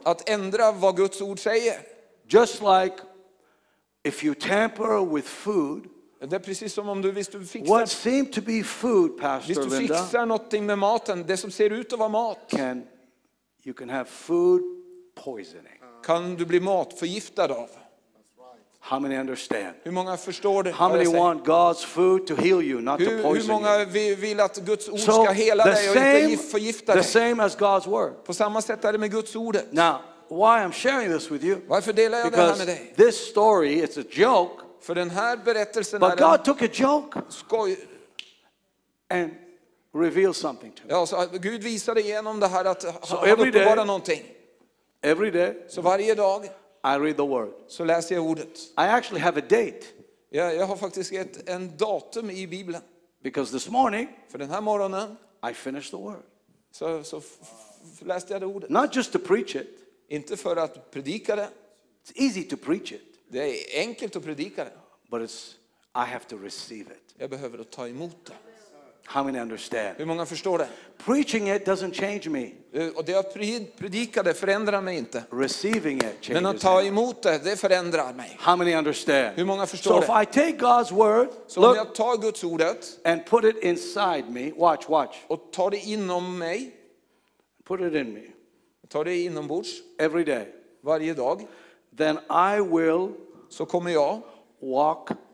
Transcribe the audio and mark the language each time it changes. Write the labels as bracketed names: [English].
[Swedish] Att ändra vad Guds ord säger. [English] Just like if you tamper with food. [Swedish] Det är precis som om du visste fixa. [English] What seemed to be food, Pastor Linda. [Swedish] Visst du fixar någonting med maten, det som ser ut att vara mat. [English] You can have food poisoning. [Swedish] Kan du bli matförgiftad av? [English] How many understand? [Swedish] Hur många förstår det? [English] How many want God's food to heal you, not to poison you? [Swedish] Hur många vill att Guds ord ska hela dig och inte förgifta dig? [English] The same as God's word. [Swedish] På samma sätt är det med Guds ordet. [English] Now, why I'm sharing this with you? [Swedish] Varför delar jag det här med dig? [English] Because this story, it's a joke. [Swedish] För den här berättelsen [English] är. But God took a joke. [Swedish] Skoj. [English] And reveal something to me. [Swedish] Ja, så Gud visade igenom det här att han uppenbarade någonting. [English] Every day. [Swedish] Så varje dag. [English] I read the word. [Swedish] Så läser jag ordet. [English] I actually have a date. [Swedish] Ja, jag har faktiskt en datum i Bibeln. [English] Because this morning. [Swedish] För den här morgonen. [English] I finished the word. [Swedish] Så läste jag det ordet. [English] Not just to preach it. [Swedish] Inte för att predika det. [English] It's easy to preach it. [Swedish] Det är enkelt att predika det. [English] But it's, I have to receive it. [Swedish] Jag behöver att ta emot det. [English] How many understand? [Swedish] Hur många förstår det? [English] Preaching it doesn't change me. [Swedish] Och det jag predikar, det förändrar mig inte. [English] Receiving it changes. [Swedish] Men att ta emot det, det förändrar mig. [English] How many understand? [Swedish] Hur många förstår det? [English] So if I take God's word, [Swedish] så om jag tar Guds ordet, [English] and put it inside me, watch. [Swedish] Och tar det inom mig, [English] put it in me. [Swedish] Tar det inombords, [English] every day. [Swedish] Varje dag, [English] then I will, [Swedish] så kommer jag [English] walk,